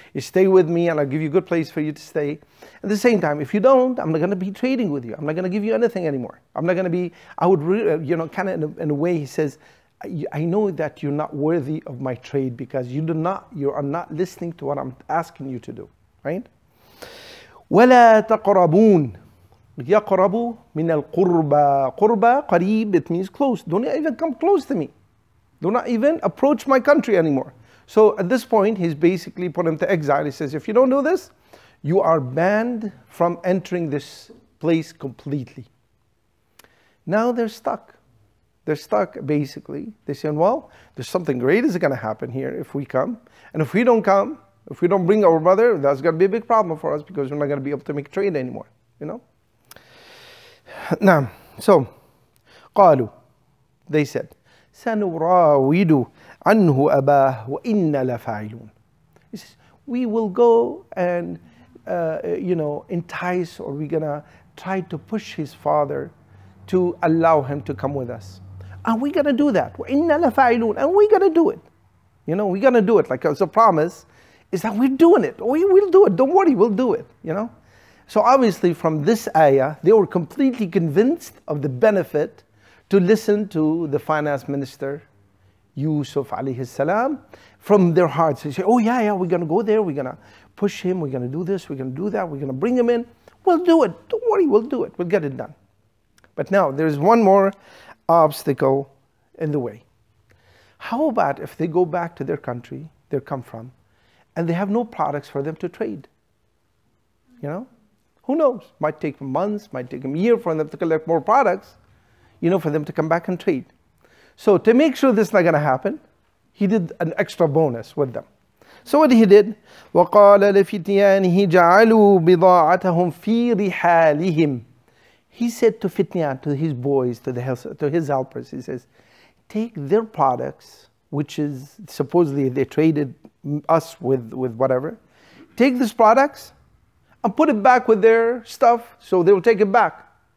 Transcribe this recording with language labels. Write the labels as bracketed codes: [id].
[en] You stay with me and I'll give you a good place for you to stay. At the same time, if you don't, I'm not going to be trading with you. I'm not going to give you anything anymore. I'm not going to be, I would, you know, kind of in a way, he says, I know that you're not worthy of my trade because you do not, you are not listening to what I'm asking you to do, right? [ar] وَلَا تَقْرَبُونَ يَقْرَبُ مِنَ الْقُرْبَى قُرْبَى قَرِيب, [en] it means close. Don't even come close to me. Do not even approach my country anymore. So at this point, he's basically put him to exile. He says, if you don't do this, you are banned from entering this place completely. Now they're stuck. They're stuck, basically. They're saying, well, there's something great is going to happen here if we come. And if we don't come, if we don't bring our brother, that's going to be a big problem for us because we're not going to be able to make trade anymore, you know? [ar] نعم. [en] So, [ar] قالوا, [en] they said, [ar] سنراود عنه أباه وإن لفاعلون. [en] He says, we will go and, you know, entice, or we're going to try to push his father to allow him to come with us. And we're going to do that. [ar] وإن لفاعلون. [en] And we're going to do it. You know, we're going to do it. Like it's a promise, is that we're doing it. We will do it. Don't worry, we'll do it. You know? So obviously from this ayah, they were completely convinced of the benefit to listen to the finance minister, Yusuf alayhi salam, from their hearts. They say, oh yeah, yeah, we're going to go there. We're going to push him. We're going to do this. We're going to do that. We're going to bring him in. We'll do it. Don't worry. We'll do it. We'll get it done. But now there's one more obstacle in the way. How about if they go back to their country they come from and they have no products for them to trade? You know? Who knows? Might take months, might take a year for them to collect more products, you know, for them to come back and trade. So to make sure this is not going to happen, he did an extra bonus with them. So what he did, [ar] وَقَالَ لِفِتْيَانِهِ جَعَلُوا بِضَاعَتَهُمْ فِي رِحَالِهِمْ. [en] He said to Fitnian, to his boys, to his helpers, he says, take their products, which is supposedly they traded us with whatever. Take these products and put it back with their stuff, so they will take it back.